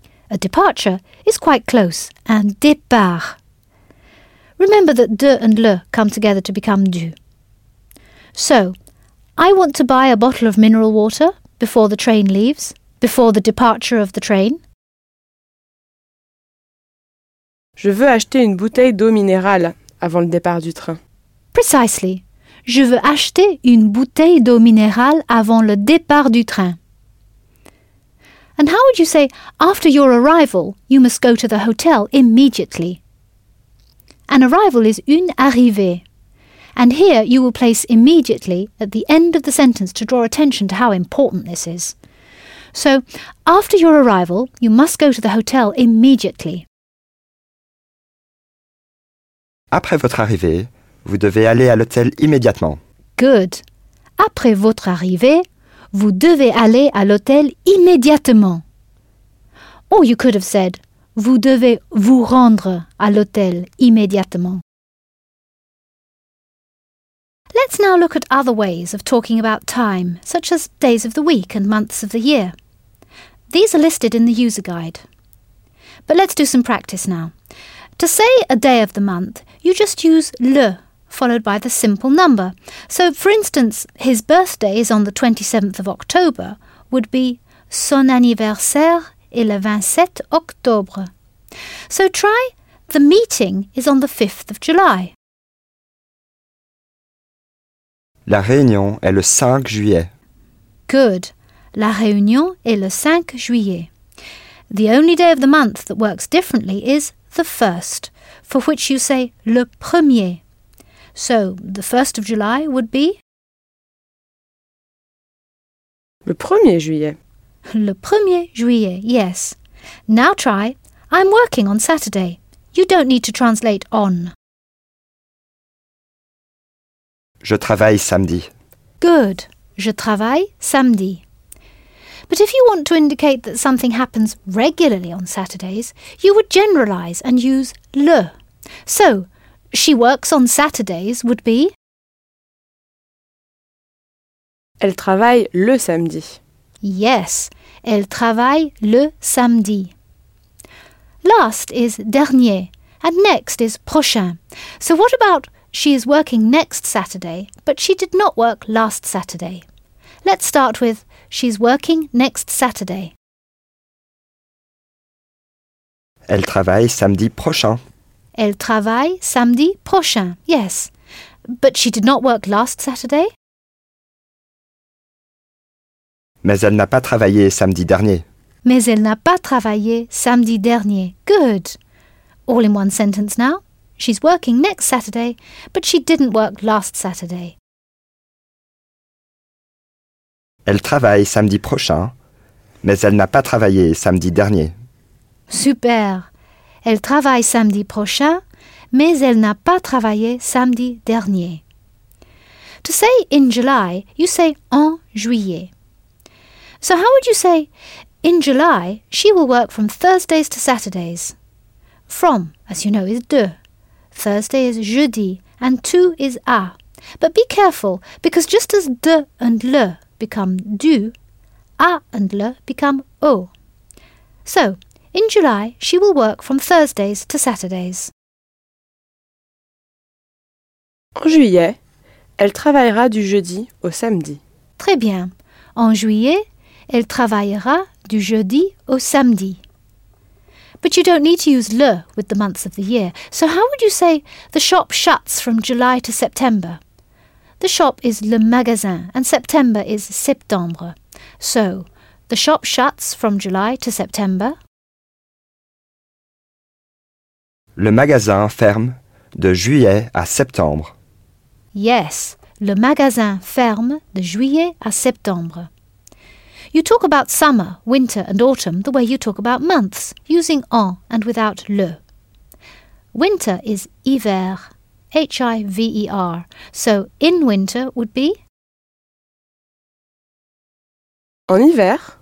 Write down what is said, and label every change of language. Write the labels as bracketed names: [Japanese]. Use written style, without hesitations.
[English] A departure is quite close, and départ. Remember that de and le come together to become du. So, I want to buy a bottle of mineral water before the train leaves, before the departure of the train. [French] Je veux acheter une bouteille d'eau minérale avant le départ du train. [English] Precisely. [French] Je veux acheter une bouteille d'eau minérale avant le départ du train. [English] And how would you say, after your arrival, you must go to the hotel immediately? An arrival is [French] une arrivée. [English] And here you will place immediately at the end of the sentence to draw attention to how important this is. So, after your arrival, you must go to the hotel immediately. [French] Après votre arrivée, vous devez aller à l'hôtel immédiatement. [English] Good. [French] Après votre arrivée, vous devez aller à l'hôtel immédiatement. [English] Or you could have said, [French] vous devez vous rendre à l'hôtel immédiatement. [English] Let's now look at other ways of talking about time, such as days of the week and months of the year. These are listed in the user guide. But let's do some practice now. To say a day of the month, you just use le, followed by the simple number. So, for instance, his birthday is on the 27th of October would be [French] son anniversaire est le 27 octobre. [English] So try the meeting is on the 5th of July. [French] La réunion est le 5 juillet. [English] Good. [French] La réunion est le 5 juillet. [English] The only day of the month that works differently is the 1st, for which you say [French] le premier. [English] So, the 1st of July would be? [French] Le 1er juillet. Le 1er juillet, [English] yes. Now try, I'm working on Saturday. You don't need to translate on. [French] Je travaille samedi. [English] Good. [French] Je travaille samedi. [English] But if you want to indicate that something happens regularly on Saturdays, you would generalize and use le. So, she works on Saturdays would be? [French] Elle travaille le samedi. [English] Yes, [French] elle travaille le samedi. [English] Last is dernier, and next is prochain. So what about she is working next Saturday, but she did not work last Saturday? Let's start with she's working next Saturday. [French] Elle travaille samedi prochain. Elle travaille samedi prochain, [English] yes. But she did not work last Saturday? [French] Mais elle n'a pas travaillé samedi dernier. Mais elle n'a pas travaillé samedi dernier. [English] Good. All in one sentence now. She's working next Saturday, but she didn't work last Saturday. [French] Elle travaille samedi prochain, mais elle n'a pas travaillé samedi dernier. [English] Super. [French] Elle travaille samedi prochain, mais elle n'a pas travaillé samedi dernier. [English] To say in July, you say [French] en juillet. [English] So how would you say, in July, she will work from Thursdays to Saturdays? From, as you know, is de. Thursday is jeudi, and to is à. But be careful, because just as de and le become du, à and le become au. So, in July, she will work from Thursdays to Saturdays. [French] En juillet, elle travaillera du jeudi au samedi. Très bien. En juillet, elle travaillera du jeudi au samedi. [English] But you don't need to use le with the months of the year. So how would you say the shop shuts from July to September? The shop is [French] le magasin [English] and September is septembre. So, the shop shuts from July to September. [French] Le magasin ferme de juillet à septembre. [English] Yes, [French] le magasin ferme de juillet à septembre. [English] You talk about summer, winter and autumn the way you talk about months, using en and without le. Winter is hiver, H-I-V-E-R. So in winter would be? [French] En hiver.